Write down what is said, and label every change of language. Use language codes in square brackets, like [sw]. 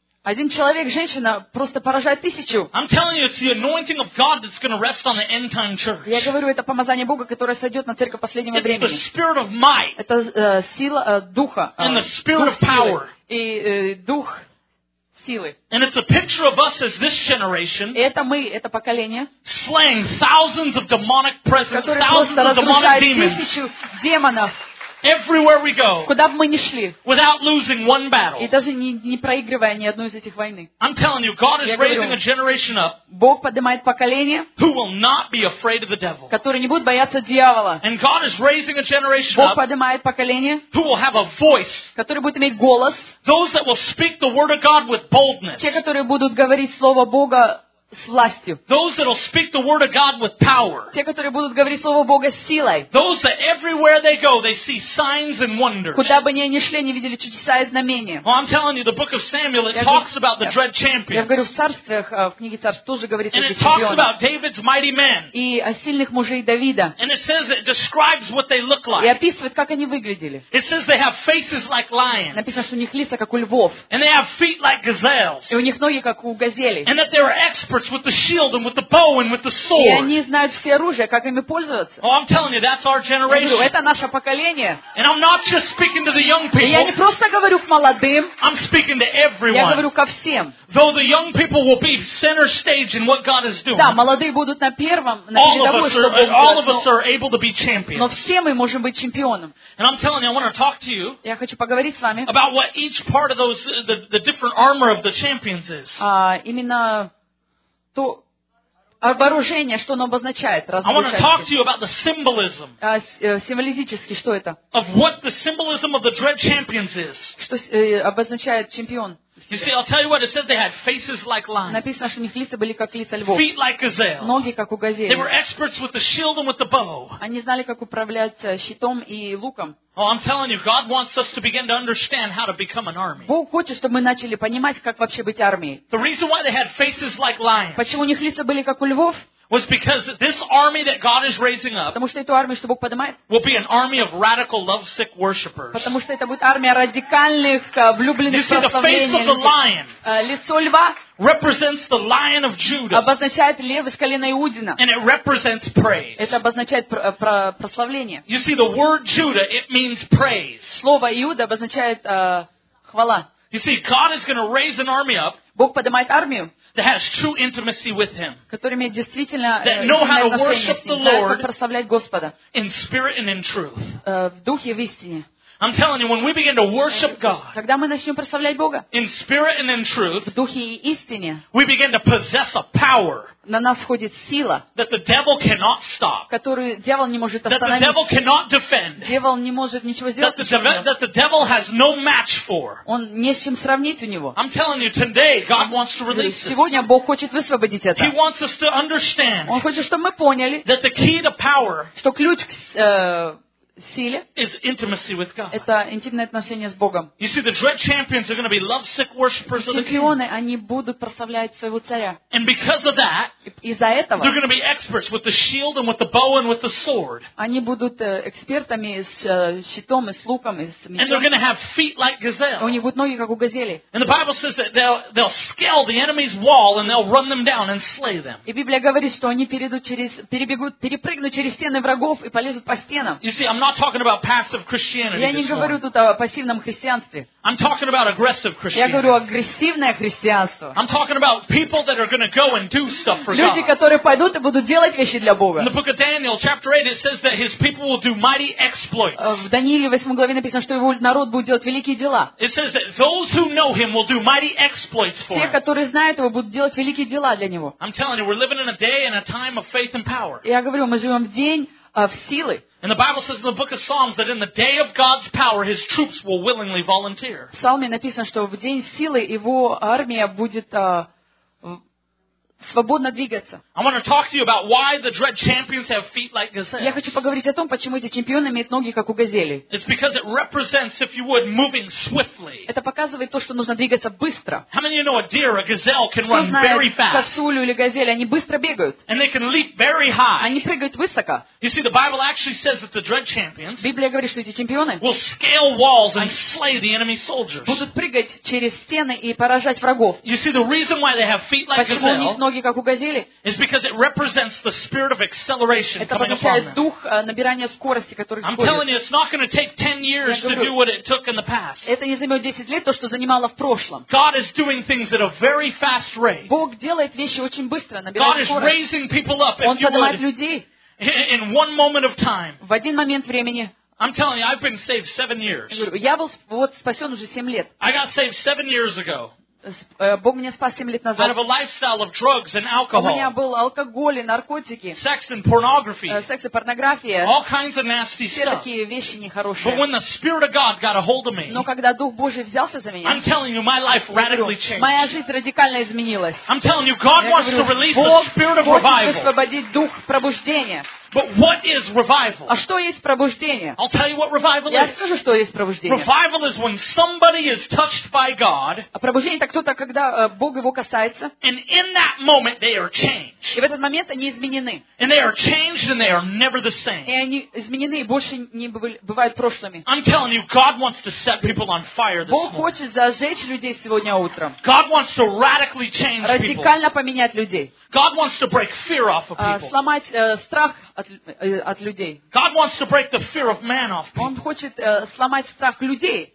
[ru] Один человек, женщина, просто поражает 1,000. [en] I'm telling you, it's the anointing of God that's going to rest on the end-time church. [ru] Я говорю, это помазание Бога, которое сойдет на церковь последнего времени. [en] It's the spirit of might. [ru] Это сила духа. [en] And the spirit of power. [ru] И дух силы. [en] And it's a picture of us as this generation. [ru] Это мы, это поколение. [en] Slaying thousands of demonic presence, thousands of demonic demons. [ru] Тысячу демонов. [en] Everywhere we go, [ru] куда бы мы ни шли, [en] without losing one battle, [ru] и даже не проигрывая ни одной из этих войны. [en] I'm telling you, God is raising a generation up, [ru] Бог поднимает поколение, [en] who will not be afraid of the devil, [ru] которые не будут бояться дьявола. [en] And God is raising a generation up, [ru] Бог поднимает поколение, [en] who will have a voice, [ru] которые будут иметь голос, [en] those that will speak the word of God with boldness, [ru] те, которые будут говорить слово Бога с властью. [en] Those that will speak the word of God with power. [ru] Те, которые будут говорить слово Бога с силой. [en] Those that everywhere they go, they see signs and wonders. [ru] Куда бы они ни шли, они видели чудеса и знамения. [en] Well, I'm telling you, the book of Samuel it talks about the dread champions. [ru] Я говорю в царствах, в книге царств тоже говорится о чемпионах. [en] And it talks about David's mighty men. [ru] И о сильных мужей Давида. [en] And it says it describes what they look like. [ru] И описывает, как они выглядели. [en] It says they have faces like lions. [ru] Написано, что у них лица как у львов. [en] And they have feet like gazelles. [ru] И у них ноги как у газели. [en] And that they are experts. With the shield and with the bow and with the sword. [ru] И они знают все оружие, как ими пользоваться. [en] Oh, I'm telling you, that's our generation. [ru] Говорю, это наше поколение. [en] And I'm not just speaking to the young people. [ru] И я не просто говорю к молодым. [en] I'm speaking to everyone. [ru] Я говорю ко всем. [en] Though the young people will be center stage in what God is doing. [ru] Да, молодые будут на первом, на передовой, что Бог делает. [en] All of us are able to be champions. [ru] Но все мы можем быть чемпионом. [en] And I'm telling you, I want to talk to you. [ru] Я хочу поговорить с вами. [en] About what each part of those the different armor of the champions is. [ru] Именно то вооружение, что оно обозначает, [en] I want to talk to you about the symbolism. [ru] Символически, что это? [en] Of what the symbolism of the dread champions is. [ru] Что обозначает чемпион? [en] You see, I'll tell you what it says. They had faces like lions. [ru] Написано, что у них лица были как лица львов. [en] Feet like gazelle. [ru] Ноги как у газели. [en] They were experts with the shield and with the bow. [ru] Они знали, как управлять щитом и луком. [en] Oh, I'm telling you, God wants us to begin to understand how to become an army. [ru] Бог хочет, чтобы мы начали понимать, как вообще быть армией. [en] The reason why they had faces like lions. [ru] Почему у них лица были как у львов? [en] Was because this army that God is raising up. [ru] Потому что эту армию, что Бог поднимает. [en] Will be an army of radical lovesick worshippers. [ru] Потому что это будет армия радикальных влюбленных прославителей. [en] You see, the face of the lion. [ru] Лицо льва. [en] Represents the lion of Judah. [ru] Обозначает лев из колена Иудина. [en] And it represents praise. [ru] Это обозначает прославление. [en] You see, the word Judah it means praise. [ru] Слово Иуда обозначает хвала. [en] You see, God is going to raise an army up. [ru] Бог поднимает армию. [en] That has true intimacy with Him. [ru] Которыми действительно. [en] That know how to worship the Lord. [ru] Знают, как прославлять Господа. [en] In spirit and in truth. [ru] В духе и в истине. [en] I'm telling you, when we begin to worship God. [ru] Когда мы начнем прославлять Бога. [en] In spirit and in truth. [ru] В духе и истине. [en] We begin to possess a power. [ru] На нас входит сила. [en] That the devil cannot stop. [ru] Которую дьявол не может остановить. [en] That the devil cannot defend. [ru] Дьявол не может ничего сделать. [en] That the devil has no match for. [ru] Он не с чем сравнить у него. [en] I'm telling you, today God wants to release. [ru] Сегодня Бог хочет высвободить это. [en] He wants us to understand. [ru] Он хочет, чтобы мы поняли. [en] That the key to power. [ru] Что ключ к силе. [en] Is intimacy with God. [ru] Это интимное отношение с Богом. [en] You see, the dread champions are going to be lovesick worshippers of the King. [ru] Чемпионы, они будут прославлять своего царя. [en] And because of that, [ru] из-за этого, [en] they're going to be experts with the shield and with the bow and with the sword. [ru] Они будут экспертами с щитом и с луком и с мечом. [en] And they're going to have feet like gazelle. [ru] У них будут ноги как у газели. [en] And the Bible says that they'll scale the enemy's wall and they'll run them down and slay them. [ru] И Библия говорит, что они перебегут, перепрыгнут через стены врагов и полезут по стенам. [en] You see, I'm not not talking about passive Christianity. [ru] Я не говорю тут о пассивном христианстве. [en] I'm talking about aggressive Christianity. [ru] Я говорю агрессивное христианство. [en] I'm talking about people that are going to go and do stuff for God. [ru] Люди, которые пойдут и будут делать вещи для Бога. [en] In the book of Daniel, chapter 8, it says that His people will do mighty exploits. [ru] В Данииле 8 главе написано, что его народ будет делать великие дела. [en] It says that those who know Him will do mighty exploits for Him. [ru] Те, которые знают его, будут делать великие дела для него. [en] I'm telling you, we're living in a day and a time of faith and power. [ru] Я говорю, мы живем в день [en] of [ru] силы. [en] And the Bible says in the book of Psalms that in the day of God's power his troops will willingly volunteer. [ru] В Псалме написано, что в день силы его армия будет свободно двигаться. [en] I want to talk to you about why the dread champions have feet like gazelles. [ru] Я хочу поговорить о том, почему эти чемпионы имеют ноги как у газели. [en] It's because it represents, if you would, moving swiftly. [ru] Это показывает то, что нужно двигаться быстро. [en] How many of you know a deer, a gazelle can run very fast? [ru] Кто знает косулю или газель, они быстро бегают. [en] And they can leap very high. [ru] Они прыгают высоко. [en] You see, the Bible actually says that the dread champions. [ru] Библия говорит, что эти чемпионы [en] will scale walls and slay the enemy soldiers. [ru] Будут прыгать через стены и поражать врагов. [en] You see, the reason why they have feet like gazelle. [ru] Как у газели. [en] It's because it represents the spirit of acceleration coming upon them. [ru] Это обозначает дух набирания скорости, который сходит. [en] I'm telling you, it's not going to take 10 years to do what it took in the past. [ru] Это не займет 10 лет то, что занимало в прошлом. [en] God is doing things at a very fast rate. [ru] Бог делает вещи очень быстро, набирает скорость. [en] God is raising people up, [ru] Он поднимает людей. [en] In one moment of time. [ru] В один момент времени. [en] I'm telling you, I've been saved 7 years. [ru] Я был вот спасен уже 7 лет. [en] I got saved 7 years ago. [ru] Бог меня спас 7 лет назад. [en] Out of a lifestyle of drugs and alcohol. [ru] У меня был алкоголь и наркотики. [en] Sex and pornography. [ru] Секс и порнография. [en] All kinds of nasty stuff. [ru] Все такие вещи нехорошие. [en] But when the Spirit of God got a hold of me. [ru] Но когда Дух Божий взялся за меня. [en] I'm telling you, my life radically changed. [ru] Моя жизнь радикально изменилась. [en] I'm telling you, God wants to release the Spirit of revival. [ru] Бог хочет освободить дух пробуждения. [en] But what is revival? [ru] А что есть пробуждение? [en] I'll tell you what revival is. [ru] Я скажу, что есть пробуждение. [en] Revival is when somebody is touched by God. [ru] А пробуждение это кто-то, когда Бог его касается. [en] And in that moment they are changed. [ru] И в этот момент они изменены. [en] And they are changed and they are never the same. [ru] И они изменены и больше не бывают прошлыми. [en] I'm telling you, God wants to set people on fire this morning. [ru] Бог хочет зажечь людей сегодня утром. [en] God wants to radically change people. [ru] Радикально поменять людей. [en] God wants to break fear off of people. [ru] Сломать страх от людей. [en] God wants to break the fear of man off people. [ru] Он хочет сломать страх людей.